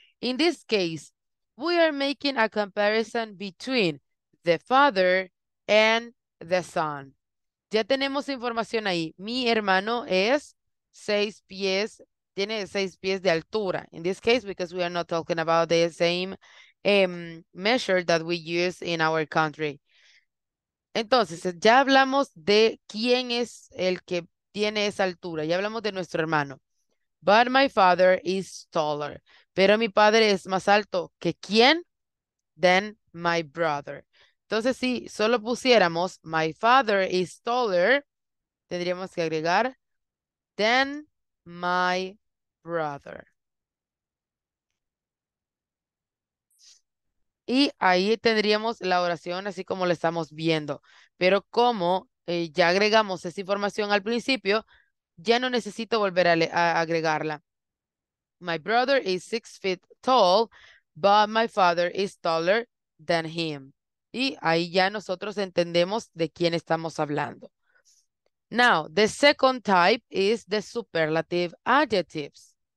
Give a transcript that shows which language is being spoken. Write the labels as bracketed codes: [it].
[en] In this case, we are making a comparison between the father and the son. [es] Ya tenemos información ahí. Mi hermano es 6 pies. Tiene 6 pies de altura. [en] In this case, because we are not talking about the same measure that we use in our country. [es] Entonces, ya hablamos de quién es el que tiene esa altura. Ya hablamos de nuestro hermano. [en] But my father is taller. [es] Pero mi padre es más alto que quién? [en] Than my brother. [es] Entonces, si solo pusiéramos [en] my father is taller, [es] tendríamos que agregar [en] than my brother. [es] Y ahí tendríamos la oración así como la estamos viendo. Pero como ya agregamos esa información al principio, ya no necesito volver a agregarla. [en] My brother is 6 feet tall, but my father is taller than him. [es] Y ahí ya nosotros entendemos de quién estamos hablando. [en] Now, the second type is the superlative adjectives.